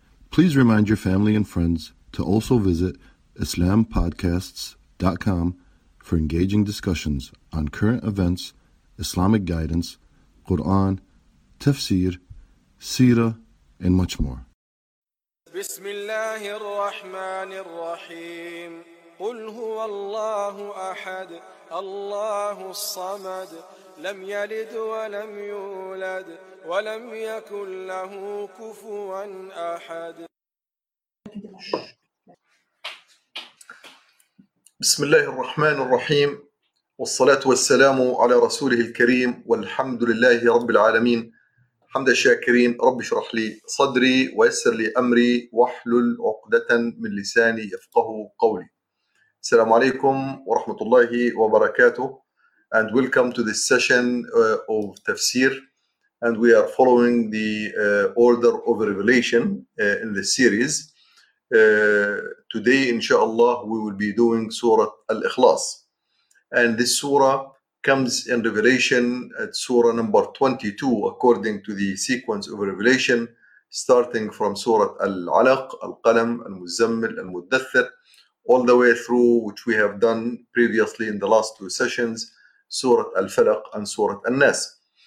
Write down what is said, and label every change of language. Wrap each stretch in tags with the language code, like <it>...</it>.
<en>Please remind your family and friends to also visit IslamPodcasts.com for engaging discussions on current events, Islamic guidance, Quran, tafsir, seerah, and much more.</en> <ar>بسم الله الرحمن الرحيم قل هو الله أحد الله الصمد لم يلد ولم يولد ولم يكن له كفوا أحد. بسم الله الرحمن الرحيم والصلاة والسلام على رسوله الكريم والحمد لله رب العالمين حمد الشاكرين رب اشرح لي صدري ويسر لي أمري واحلل عقدة من لساني يفقه قولي. السلام عليكم ورحمة الله وبركاته.</ar> <en>And welcome to this session of Tafsir. And we are following the order of revelation in this series. Today, inshallah, we will be doing Surah Al-Ikhlas. And this surah comes in Revelation at Surah number 22, according to the sequence of Revelation, starting from Surah Al-Alaq, Al-Qalam, Al-Muzammil, Al-Muddathir, all the way through, which we have done previously in the last two sessions, Surah Al-Falaq and Surah Al-Nas.</en>